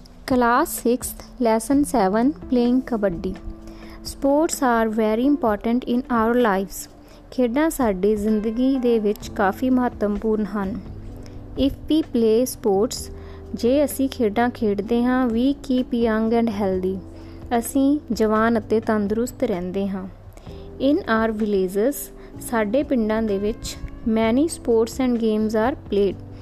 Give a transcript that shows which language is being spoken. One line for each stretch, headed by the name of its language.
English: Class 6th, Lesson 7, Playing Kabaddi. Sports are very important in our lives.
Punjabi: ਖੇਡਾਂ ਸਾਡੀ ਜ਼ਿੰਦਗੀ ਦੇ ਵਿੱਚ ਕਾਫੀ ਮਹੱਤਵਪੂਰਨ ਹਨ.
English: If we play sports,
Punjabi: ਜੇ ਅਸੀਂ ਖੇਡਾਂ ਖੇਡਦੇ ਹਾਂ,
English: we keep young and healthy.
Punjabi: ਅਸੀਂ ਜਵਾਨ ਅਤੇ ਤੰਦਰੁਸਤ ਰਹਿੰਦੇ ਹਾਂ.
English: In our villages,
Punjabi: ਸਾਡੇ ਪਿੰਡਾਂ ਦੇ ਵਿੱਚ
English: many sports and games are played.